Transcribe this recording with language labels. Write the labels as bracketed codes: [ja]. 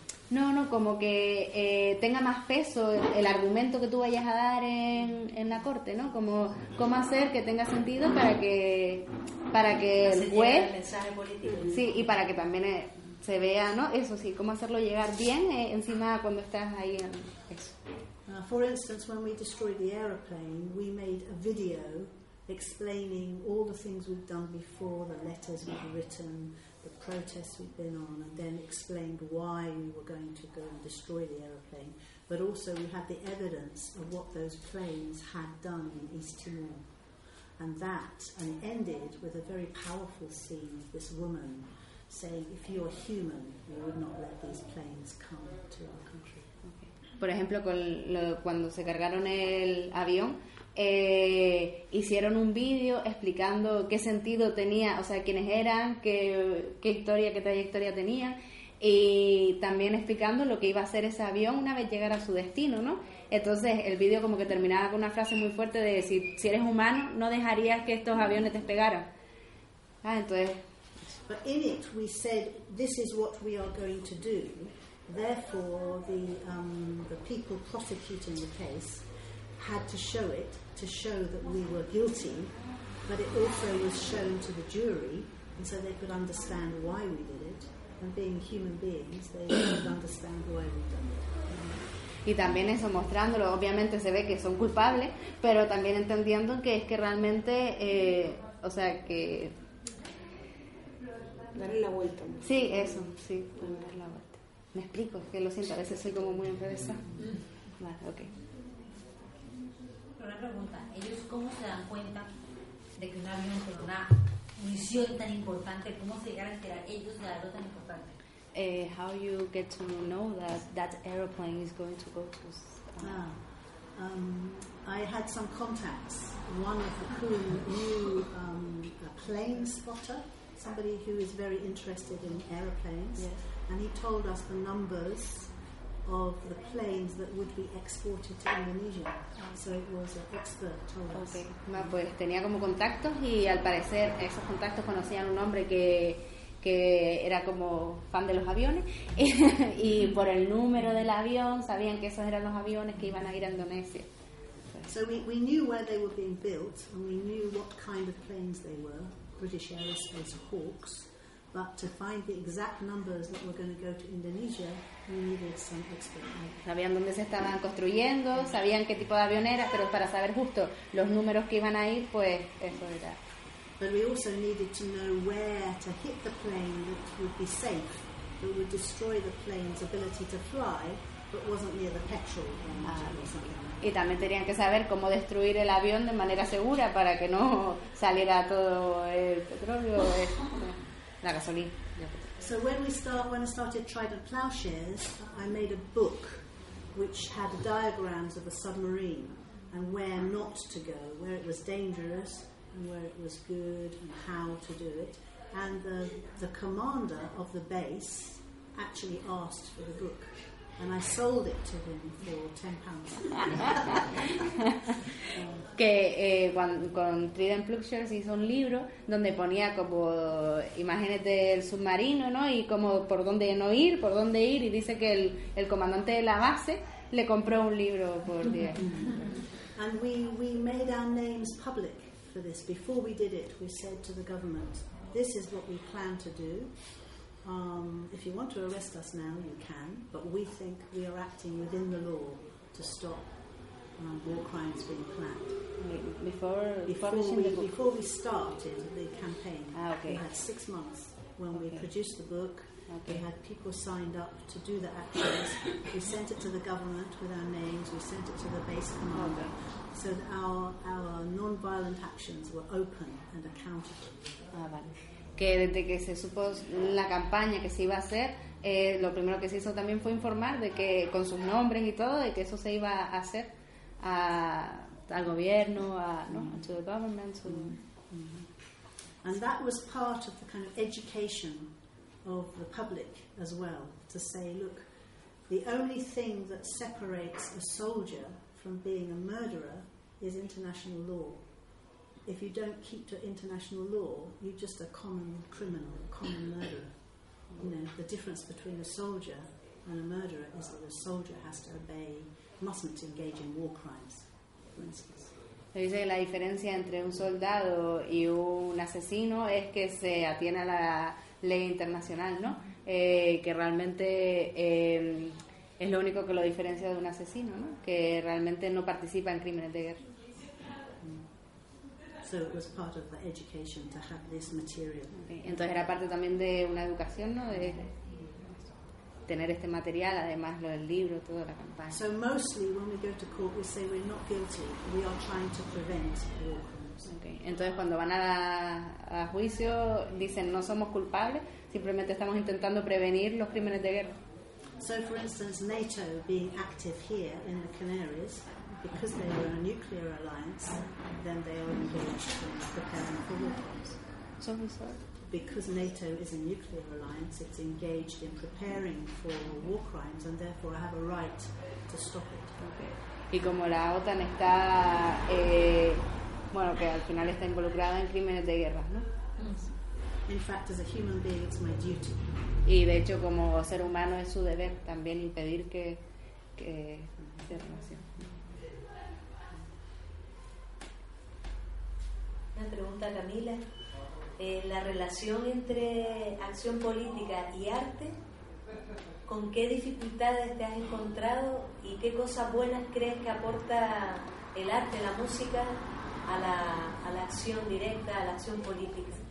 [es] No, como que tenga más peso el argumento que tú vayas a dar en la corte, ¿no? Como cómo hacer que tenga sentido para que el juez, el mensaje político. Sí, y para que también se vea, ¿no? Eso sí, cómo hacerlo llegar bien encima cuando estás ahí en eso. [en] For instance, when we destroyed the aeroplane, we made a video explaining all the things we've done before, the letters we've written, the protests we've been on, and then explained why we were going to go and destroy the aeroplane. But also we had the evidence of what those planes had done in East Timor. And it ended with a very powerful scene of this woman saying, if you're human, you would not let these planes come to our country. [es] Por ejemplo, cuando se cargaron el avión, hicieron un vídeo explicando qué sentido tenía, o sea, quiénes eran, qué trayectoria tenían, y también explicando lo que iba a hacer ese avión una vez llegara a su destino, ¿no? Entonces, el vídeo como que terminaba con una frase muy fuerte de decir, si eres humano, no dejarías que estos aviones te pegaran. Ah, entonces. [en] But in it we said, this is what we are going to do. Therefore, the people prosecuting the case had to show it, to show that we were guilty, but it also was shown to the jury, and so they could understand why we did it, and being human beings, they could understand why we did it. [es] Y también eso, mostrándolo, obviamente se ve que son culpables, pero también entendiendo que es que realmente, o sea, que... Darle la vuelta. Sí, eso, sí, darle la vuelta. Me explico, que lo siento, a veces soy como muy enrevesada. Vale, ok. Una pregunta, ¿ellos cómo se dan cuenta de que un avión con una misión tan importante, cómo se llegan a enterar ellos de algo tan importante? [en] How you get to know that aeroplane is going to go to... I had some contacts, one of whom knew a plane spotter, somebody who is very interested in aeroplanes. Yes. And he told us the numbers of the planes that would be exported to Indonesia. So it was an expert told us. Okay. [es] Pues tenía como contactos, y al parecer esos contactos conocían un hombre que era como fan de los aviones, y por el número del avión sabían que esos eran los aviones que iban a ir a Indonesia. [en] So we knew where they were being built, and we knew what kind of planes they were, British Aerospace Hawks. But to find the exact numbers that were going to go to Indonesia, we needed some expert help. [es] Sabían dónde se estaban construyendo, sabían qué tipo de avión era, pero para saber justo los números que iban a ir, pues eso era. [en] But we also needed to know where to hit the plane that would be safe, that would destroy the plane's ability to fly, but wasn't near the petrol engine or something. [es] Y también tenían que saber cómo destruir el avión de manera segura para que no saliera todo el petróleo, la gasolina. [en] So when I started Trident Plowshares, I made a book which had diagrams of a submarine and where not to go, where it was dangerous, and where it was good and how to do it. And the commander of the base actually asked for the book. And I sold it to him for £10. [es] Que con Trident Pictures hizo un libro donde ponía como imágenes del submarino, ¿no? Y como por dónde no ir, por dónde ir, y dice que el comandante de la base le compró un libro por 10. [en] And we made our names public for this. Before we did it, we said to the government, this is what we plan to do. If you want to arrest us now, you can, but we think we are acting within the law to stop war crimes being planned. Before we started the campaign, okay. We had 6 months when we produced the book. Okay. We had people signed up to do the actions. We sent it to the government with our names. We sent it to the base commander. Okay. So that our non-violent actions were open and accountable. [es] Ah, vale. Que desde que se supo la campaña que se iba a hacer, lo primero que se hizo también fue informar de que con sus nombres y todo, de que eso se iba a hacer al gobierno, [en] to the government. To... Mm-hmm. And that was part of the kind of education of the public as well, to say, look, the only thing that separates a soldier from being a murderer is international law. If you don't keep to international law, you're just a common criminal, a common murderer. You know, the difference between a soldier and a murderer is that a soldier has to obey, mustn't engage in war crimes, for instance. [es] Dice que la diferencia entre un soldado y un asesino es que se atiene a la ley internacional, ¿no? Que realmente es lo único que lo diferencia de un asesino, ¿no? Que realmente no participa en crímenes de guerra. [en] So it was part of the education to have this material. Okay. [es] Entonces era parte también de una educación, ¿no? De tener este material, además lo del libro, toda la campaña. [en] So mostly when we go to court, we say we're not guilty. We are trying to prevent war crimes. Okay. [es] Entonces cuando van a juicio, dicen no somos culpables, simplemente estamos intentando prevenir los crímenes de guerra. [en] So for instance, NATO being active here in the Canaries. Because they were a nuclear alliance, then they are engaged in preparing for war crimes. Sorry. Because NATO is a nuclear alliance, it's engaged in preparing for war crimes, and therefore I have a right to stop it. Okay. [es] Y como la OTAN está, que al final está involucrada en crímenes de guerra, ¿no? [en] In fact, as a human being, it's my duty. [es] Y de hecho, como ser humano, es su deber también impedir que se relacione. Una pregunta a Camila. La relación entre acción política y arte, ¿con qué dificultades te has encontrado y qué cosas buenas crees que aporta el arte, la música, a la acción directa, a la acción política?